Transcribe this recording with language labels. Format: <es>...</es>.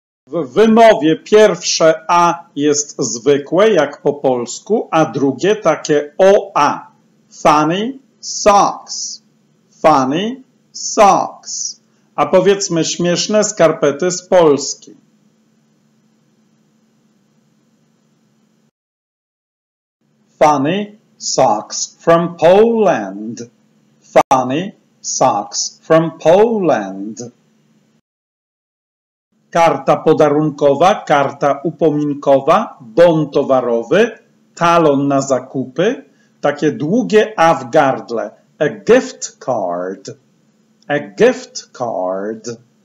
<pl>W wymowie pierwsze A jest zwykłe, jak po polsku, a drugie takie OA.</pl> <en>Funny socks. Funny socks.</en> <pl>A powiedzmy śmieszne skarpety z Polski.</pl> <en>Funny socks from Poland. Funny socks from Poland.</en> <pl>Karta podarunkowa, karta upominkowa, bon towarowy, talon na zakupy, takie długie A w gardle.</pl> <en>A gift card. A gift card.</en>